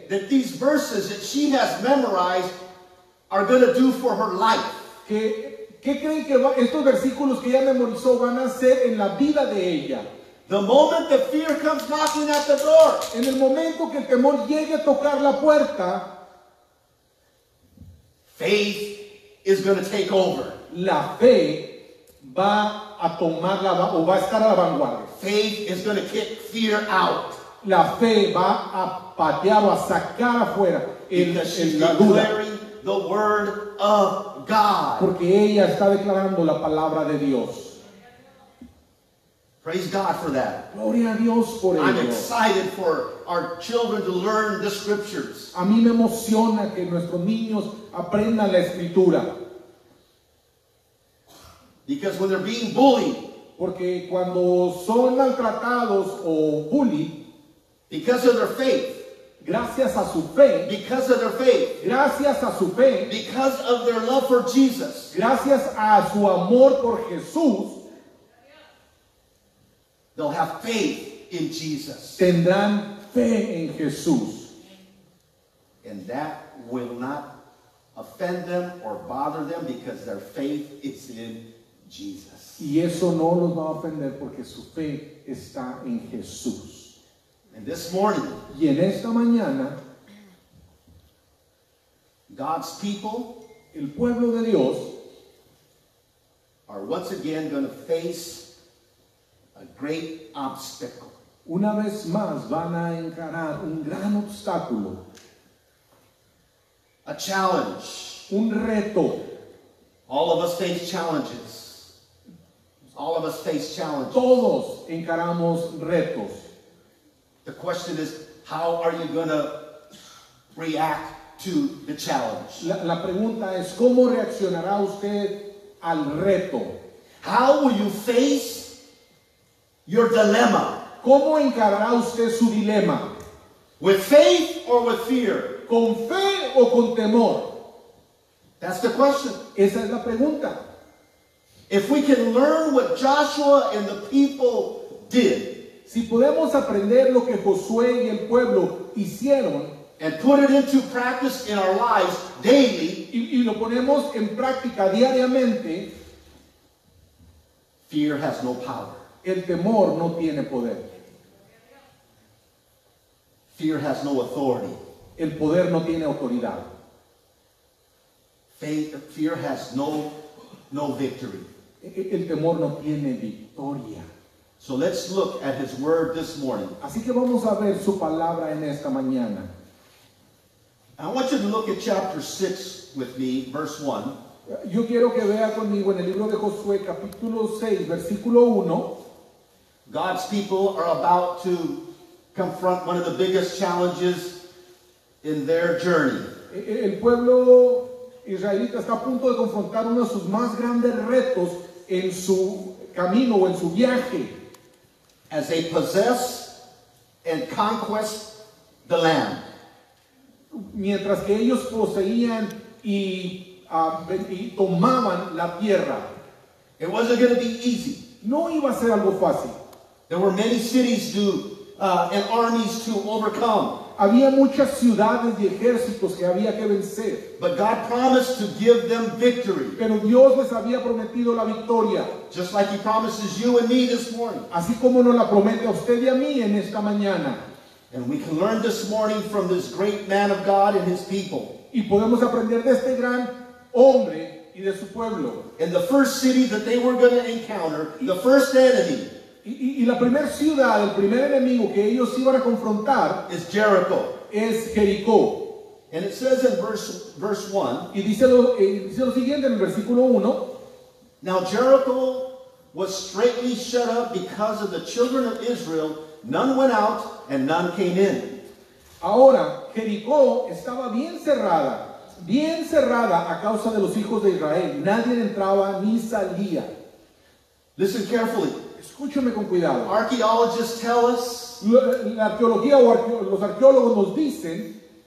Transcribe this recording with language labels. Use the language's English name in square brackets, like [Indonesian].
[English] That these verses that she has memorized are going to do for her life. [Spanish] ¿Qué creen que estos versículos que ella memorizó van a hacer en la vida de ella? [English] The moment the fear comes knocking at the door. [Spanish] En el momento que el temor llegue a tocar la puerta. [English] Faith is going to take over. [Spanish] La fe va a tomar o va a estar a la vanguardia. [English] Faith is going to kick fear out. [Spanish] La fe va a patear o a sacar afuera la duda. [English] The word of God. [Spanish] Porque ella está declarando la palabra de Dios. [English] Praise God for that. [Spanish] Gloria a Dios por ello. [English] I'm excited for our children to learn the scriptures. [Spanish] A mí me emociona que nuestros niños aprendan la escritura. [English] Because when they're being bullied. [Spanish] Porque cuando son maltratados o bullied. [English] Because of their faith. [Spanish] Gracias a su fe. [English] Because of their faith. [Spanish] Gracias a su fe. [English] Because of their love for Jesus. [Spanish] Gracias a su amor por Jesús. [English] They'll have faith in Jesus. [Spanish] Tendrán fe en Jesús. [English] and that will not offend them or bother them because their faith is in Jesus. [Spanish] Y eso no los va a ofender porque su fe está en Jesús. [English] And this morning, [Spanish] y en esta mañana, [English] God's people, [Spanish] el pueblo de Dios, [English] are once again going to face a great obstacle. [Spanish] Una vez más van a encarar un gran obstáculo. [English] A challenge. [Spanish] Un reto. [English] All of us face challenges. All of us face challenges. [Spanish] Todos encaramos retos. [English] The question is, how are you going to react to the challenge? [Spanish] La pregunta es, ¿cómo reaccionará usted al reto? [English] How will you face your dilemma? [Spanish] ¿Cómo encarará usted su dilema? [English] With faith or with fear? [Spanish] ¿Con fe o con temor? [English] That's the question. [Spanish] Esa es la pregunta. [English] If we can learn what Joshua and the people did, [Spanish] si podemos aprender lo que Josué y el pueblo hicieron, [English] and put it into practice in our lives daily, [Spanish] y lo ponemos en práctica diariamente, [English] fear has no power. [Spanish] El temor no tiene poder. [English] Fear has no authority. [Spanish] El poder no tiene autoridad. [English] Fear has no victory. [Spanish] El temor no tiene victoria. [English] So let's look at his word this morning. [Spanish] Así que vamos a ver su palabra en esta mañana. [English] I want you to look at chapter 6 with me, verse 1. [Spanish] Yo quiero que vea conmigo en el libro de Josué, capítulo 6, versículo 1. [English] God's people are about to confront one of the biggest challenges in their journey. [Spanish] El pueblo israelita está a punto de confrontar uno de sus más grandes retos en su camino o en su viaje. [English] As they possess and conquest the land. [Spanish] Mientras que ellos poseían y tomaban la tierra. [English] It wasn't going to be easy. [Spanish] No iba a ser algo fácil. [English] There were many cities and armies to overcome. [Spanish] Había muchas ciudades y ejércitos que había que vencer. [English] But God promised to give them victory. [Spanish] Pero Dios les había prometido la victoria. [English] Just like he promises you and me this morning. [Spanish] Así como nos la promete a usted y a mí en esta mañana. [English] And we can learn this morning from this great man of God and his people. [Spanish] Y podemos aprender de este gran hombre y de su pueblo. [English] And the first city that they were going to encounter, the first enemy. [Spanish] Y la primera ciudad, el primer enemigo que ellos iban a confrontar [English] is Jericho. [Spanish] Es Jericó. [English] And it says in verse 1. [Spanish] Y dice lo siguiente en el versículo 1. [English] Now Jericho was straitly shut up because of the children of Israel. None went out and none came in. [Spanish] Ahora, Jericó estaba bien cerrada a causa de los hijos de Israel. Nadie entraba ni salía. [English] Listen carefully. [Spanish] Escúchame con cuidado. [English] Archaeologists tell us, [Spanish] la arqueología o los arqueólogos nos dicen,